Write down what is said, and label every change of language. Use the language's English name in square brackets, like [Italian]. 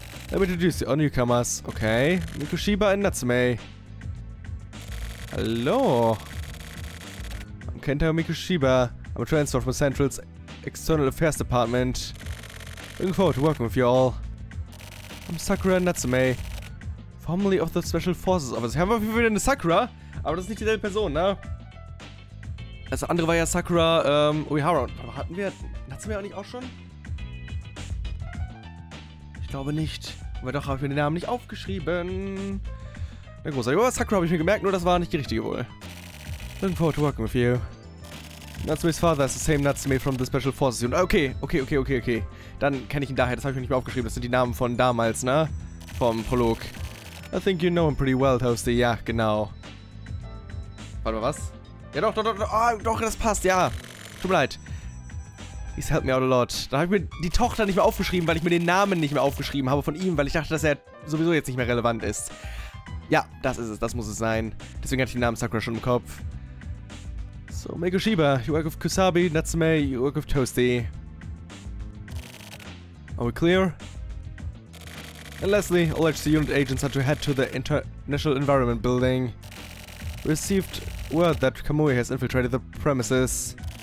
[English] Let me introduce you, our newcomers. Okay, Mikoshiba and Natsume. Hello. I'm Kentaro Mikoshiba. I'm a transfer from Central's External Affairs Department. Looking forward to working with you all. I'm Sakura Natsume, formerly of the Special Forces Office. [German] Haben wir auf jeden Fall eine Sakura, aber das ist nicht dieselbe Person, ne? Das andere war ja Sakura, Uehara. Aber hatten wir Natsume auch nicht auch schon? Ich glaube nicht. Aber doch, habe ich mir den Namen nicht aufgeschrieben. Na ja, großartig. Aber Sakura habe ich mir gemerkt, nur das war nicht die richtige wohl. [English] Looking forward to working with you. Natsume's father is the same Natsume from the Special Forces Unit. Okay. [German] Dann kenne ich ihn daher, das habe ich mir nicht mehr aufgeschrieben. Das sind die Namen von damals, ne? Vom Prolog. [English] I think you know him pretty well, Toasty. [German] Ja, genau. Warte mal, was? Ja, doch, das passt, ja. Tut mir leid. [English] He's helped me out a lot. [German] Dann habe ich mir die Tochter nicht mehr aufgeschrieben, weil ich mir den Namen nicht mehr aufgeschrieben habe von ihm, weil ich dachte, dass er sowieso jetzt nicht mehr relevant ist. Ja, das ist es, das muss es sein. Deswegen hatte ich den Namen Sakura schon im Kopf. [English] So, Megoshiba, you work with Kusabi, Natsume, you work with Toasty. Are we clear? And lastly, all HC unit agents are to head to the International Environment Building. We received word that Kamui has infiltrated the premises.